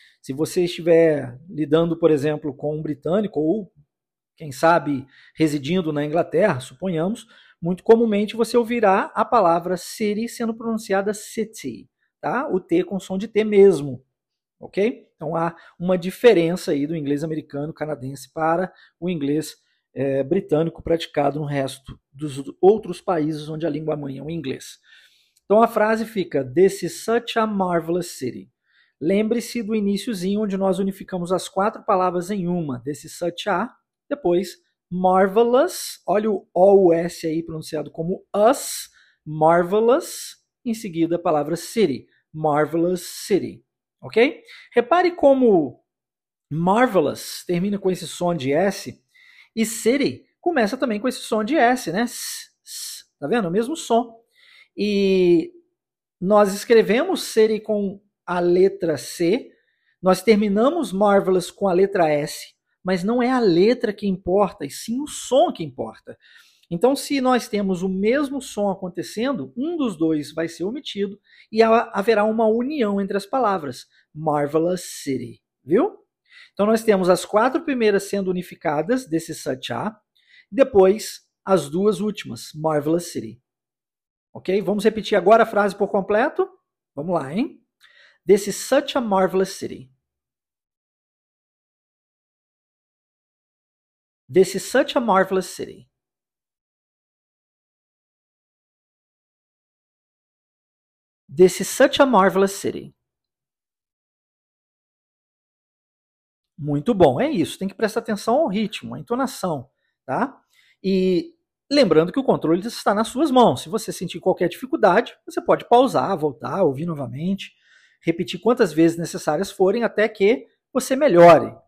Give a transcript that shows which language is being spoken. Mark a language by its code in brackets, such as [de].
[pt] Se você estiver lidando, por exemplo, com um britânico ou, quem sabe, residindo na Inglaterra, suponhamos, muito comumente você ouvirá a palavra city sendo pronunciada city, tá? O T com som de T mesmo. Ok? Então há uma diferença aí do inglês americano canadense para o inglês britânico praticado no resto dos outros países onde a língua mãe é o inglês. Então a frase fica: [en] This is such a marvelous city. [pt] Lembre-se do iniciozinho onde nós unificamos as quatro palavras em uma: [en] This is such a, [pt] depois marvelous, olha o OUS aí pronunciado como us, marvelous, em seguida a palavra city, marvelous city. Ok? Repare como marvelous termina com esse som de S e city começa também com esse som de S, né? S, s, tá vendo? O mesmo som. E nós escrevemos city com a letra C, nós terminamos marvelous com a letra S, mas não é a letra que importa, e sim o som que importa. Então, se nós temos o mesmo som acontecendo, um dos dois vai ser omitido e haverá uma união entre as palavras. Marvelous City. Viu? Então, nós temos as quatro primeiras sendo unificadas, desse such a, depois as duas últimas, Marvelous City. Ok? Vamos repetir agora a frase por completo? Vamos lá, hein? [en] This is such a marvelous city. This is such a marvelous city. This is such a marvelous city. [pt] Muito bom, é isso. Tem que prestar atenção ao ritmo, à entonação, tá? E lembrando que o controle está nas suas mãos. Se você sentir qualquer dificuldade, você pode pausar, voltar, ouvir novamente, repetir quantas vezes necessárias forem até que você melhore.